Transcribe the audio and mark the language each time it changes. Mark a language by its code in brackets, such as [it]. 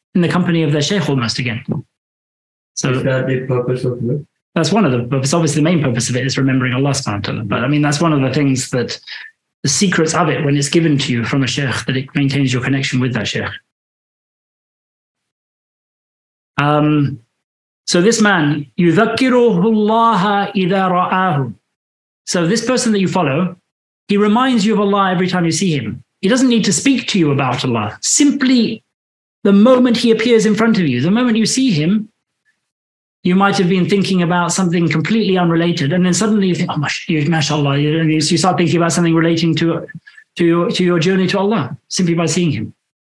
[en] in the company of their sheikh almost again. So is that the purpose of it? That's one of the purpose. Obviously, the main purpose of it is remembering Allah subhanahu wa ta'ala. But I mean, that's one of the things that the secrets of it, when it's given to you from a sheikh, that it maintains your connection with that sheikh. So this man, [ar] يُذَكِّرُهُ اللَّهَ إِذَا رَآهُ. [en] So this person that you follow, he reminds you of Allah every time you see him. He doesn't need to speak to you about Allah. Simply, the moment he appears in front of you, the moment you see him, you might have been thinking about something completely unrelated, and then suddenly you think, oh, mashallah, and you start thinking about something relating to your journey to Allah, simply by seeing him.